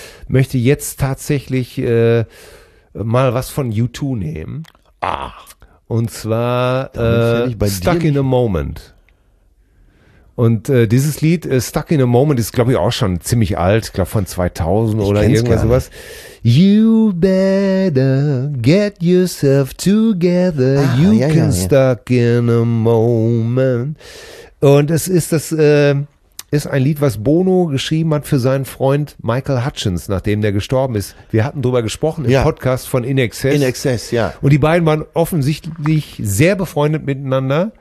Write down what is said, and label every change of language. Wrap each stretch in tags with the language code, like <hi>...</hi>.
<de>Möchte jetzt tatsächlich mal was von U2 nehmen. Ach. Und zwar Stuck in a Moment. Und dieses Lied, Stuck in a Moment, ist, glaube ich, auch schon ziemlich alt. Ich glaube, von 2000 oder irgendwas sowas.</de> <en>You better get yourself together. Ah, you</en> <de>ja,</de> <en>can Stuck in a moment.</en> <de>Und es ist das ist ein Lied, was Bono geschrieben hat für seinen Freund Michael Hutchins, nachdem der gestorben ist. Wir hatten drüber gesprochen im Podcast von In Excess. In Excess, ja. Und die beiden waren offensichtlich sehr befreundet miteinander.</de>